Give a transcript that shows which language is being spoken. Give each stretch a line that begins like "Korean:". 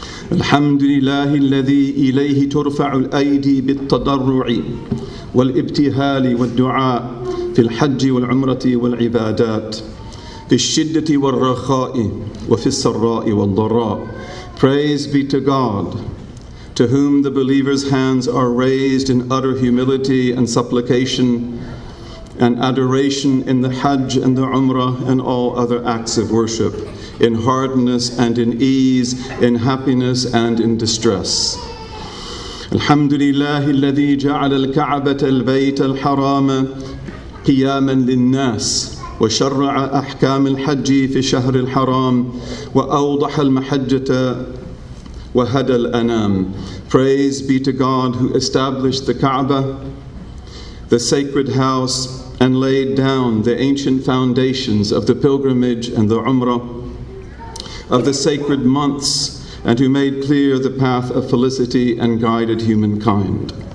Arabic: Alhamdulillahi alladhi ilayhi turfa'u al-aydi bit-tadarru'i والابتهال والدعاء في الحج والعمرة والعبادات في الشدة والرخاء وفي السراء والضراء.
English: Praise be to God, to whom the believer's hands are raised in utter humility and supplication and adoration in the Hajj and the Umrah and all other acts of worship, in hardness and in ease, in happiness and in distress.
Arabic: الحمد لله الذي جعل الكعبة البيت الحرام قياما للناس وشرع أحكام الحج في شهر الحرام وأوضح المحجة وهدى الأنام.
English: Praise be to God who established the Kaaba, the sacred house, and laid down the ancient foundations of the pilgrimage and the Umrah, of the sacred months, and who made clear the path of felicity and guided humankind.